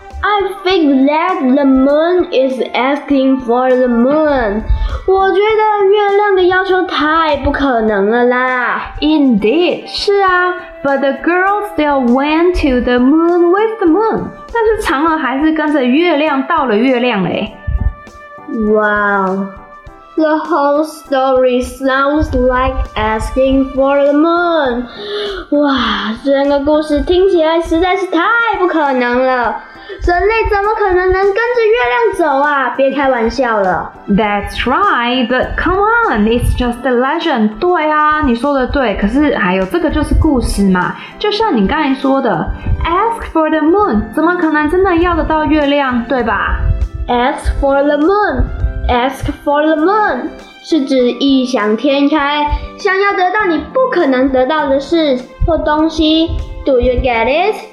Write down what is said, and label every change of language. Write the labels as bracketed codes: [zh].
[en] I think that the moon is asking for the moon. [zh] 我觉得月亮的要求太不可能了啦。 [en] Indeed, [zh] 是啊。 [en] But the girl still went to the moon with the moon. [zh] 但是嫦娥还是跟着月亮到了月亮嘞。 [en] Wow, the whole story sounds like asking for the moon. [zh] 哇，整个故事听起来实在是太不可能了。人类怎么可能能跟着月亮走啊？别开玩笑了。 [en] That's right, but come on, it's just a legend. [zh] 对啊，你说的对。可是，还有这个就是故事嘛。就像你刚才说的 ， [en] ask for the moon， [zh] 怎么可能真的要得到月亮，对吧？ [en] Ask for the moon, [zh] ask for the moon， 是指异想天开，想要得到你不可能得到的事或东西。 [en] Do you get it?